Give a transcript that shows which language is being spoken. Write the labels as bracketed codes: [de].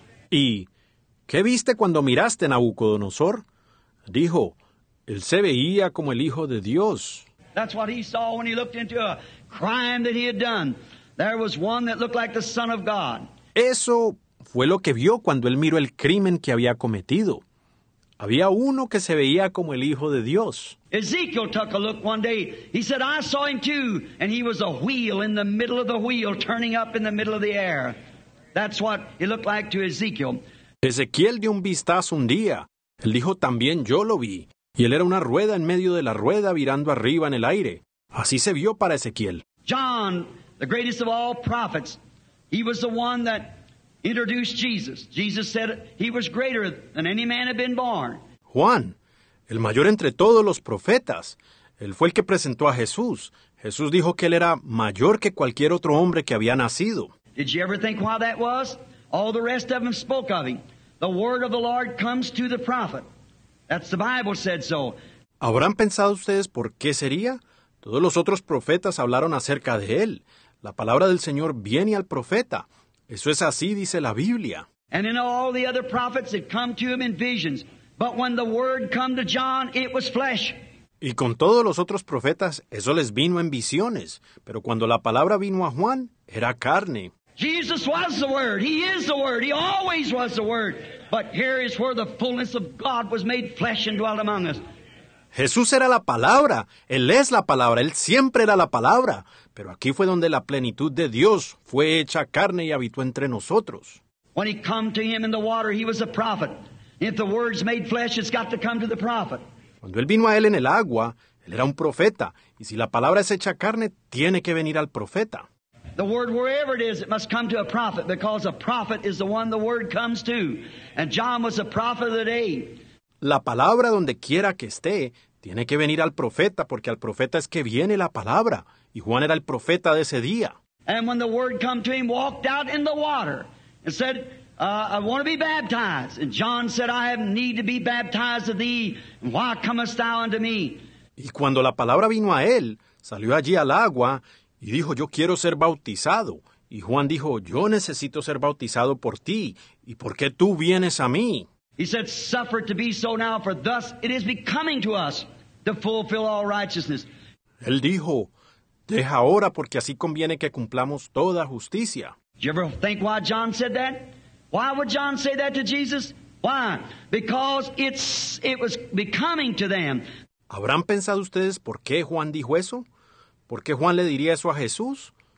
[es] ¿Y qué viste cuando miraste, Nabucodonosor? Dijo, él se veía como el Hijo de Dios. [en] That's what he saw when he looked into a crime that he had done. There was one that looked like the Son of God. [es] Eso fue lo que vio cuando él miró el crimen que había cometido. Había uno que se veía como el Hijo de Dios. [en] Ezekiel took a look one day. He said, I saw him too, and he was a wheel in the middle of the wheel, turning up in the middle of the air. That's what it looked like to Ezekiel. [es] Ezequiel dio un vistazo un día. Él dijo, también yo lo vi. Y él era una rueda en medio de la rueda, virando arriba en el aire. Así se vio para Ezequiel. [en] John, the greatest of all prophets, he was the one that introduced Jesus. Jesus said he was greater than any man had been born. [es] Juan, el mayor entre todos los profetas, él fue el que presentó a Jesús. Jesús dijo que él era mayor que cualquier otro hombre que había nacido. [en] Did you ever think why that was? All the rest of them spoke of him. The word of the Lord comes to the prophet. That's the Bible said so. [es] ¿Habrán pensado ustedes por qué sería? Todos los otros profetas hablaron acerca de él. La palabra del Señor viene al profeta. Eso es así, dice la Biblia. [en] And in all the other prophets had come to him in visions. But when the word come to John, it was flesh. [es] Y con todos los otros profetas, eso les vino en visiones. Pero cuando la palabra vino a Juan, era carne. [en] Jesus was the word. He is the word. He always was the word. But here is where the fullness of God was made flesh and dwelt among us. [es] Jesús era la palabra. Él es la palabra. Él siempre era la palabra. Pero aquí fue donde la plenitud de Dios fue hecha carne y habitó entre nosotros. [en] When he come to him in the water, he was a prophet. If the word's made flesh, it's got to come to the prophet. [es] Cuando él vino a él en el agua, él era un profeta. Y si la palabra es hecha carne, tiene que venir al profeta. [en] The word, wherever it is, it must come to a prophet, because a prophet is the one the word comes to. And John was a prophet of the day. [es] La palabra, donde quiera que esté, tiene que venir al profeta, porque al profeta es que viene la palabra. Y Juan era el profeta de ese día. [en] And when the word came to him, walked out in the water and said, I want to be baptized. And John said, I have need to be baptized of thee. Why comest thou unto me? [es] Y cuando la palabra vino a él, salió allí al agua y dijo, yo quiero ser bautizado. Y Juan dijo, yo necesito ser bautizado por ti. ¿Y por qué tú vienes a mí? [en] He said, suffer it to be so now, for thus it is becoming to us to fulfill all righteousness. [es] Él dijo, deja ahora, porque así conviene que cumplamos toda justicia. [en] Did you ever think why John said that? Why would John say that to Jesus? Why? Because it was becoming to them. [es] ¿Habrán pensado ustedes por qué Juan dijo eso? ¿Por qué Juan le diría eso a Jesús?